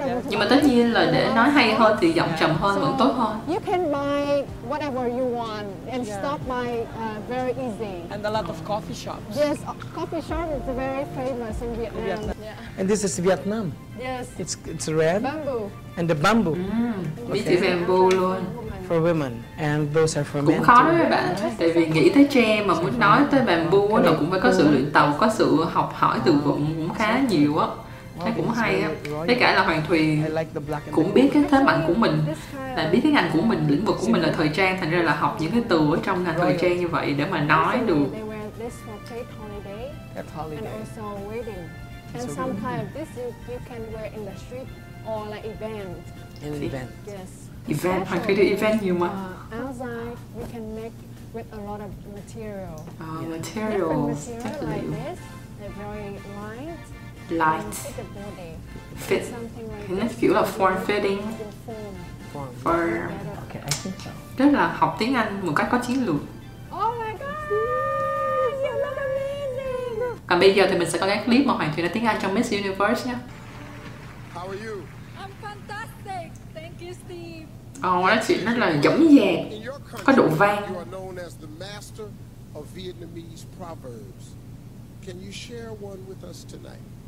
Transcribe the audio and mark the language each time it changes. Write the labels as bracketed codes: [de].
[vi] Nhưng mà tất nhiên là để nói hay hơn thì giọng trầm hơn vẫn tốt hơn. [en] You can buy whatever you want and stop by very easy. And a lot of coffee shops. Yes, coffee shop is very famous in Vietnam. And this is Vietnam. Yes. It's red. Bamboo. And the bamboo. Mm. Okay. Bamboo luôn. For women and those are for men. [vi] Cũng khó đó các bạn, tại vì nghĩ tới tre mà muốn nói tới bamboo là cũng phải có sự luyện tập, có sự học hỏi từ vựng cũng khá nhiều á. Thấy cũng hay á. Tất cả là Hoàng Thùy cũng biết cái thế mạnh của mình, là biết cái ngành của mình, lĩnh vực của mình là thời trang, thành ra là học những cái từ ở trong ngành thời trang như vậy để mà nói được. Event, Hoàng Thùy đi event nhiều mà. [en] Outside, we can make with a lot of material. Material, different material like this, they're very light. light, fit, kind of [vi] kiểu là [en] form fitting, form. Okay, I think so. [vi] Tức là học tiếng Anh một cách có chiến lược. [en] Oh my god, you look amazing. [vi] Còn bây giờ thì mình sẽ có cái clip mà Hoàng Thùy nói tiếng Anh trong Miss Universe nhé. [en] How are you? I'm fantastic. Thank you, Steve. [vi] Oh, nói chuyện rất là dõng dạc, có độ vang. [en] You are known as the master of Vietnamese proverbs. Can you share one with us tonight?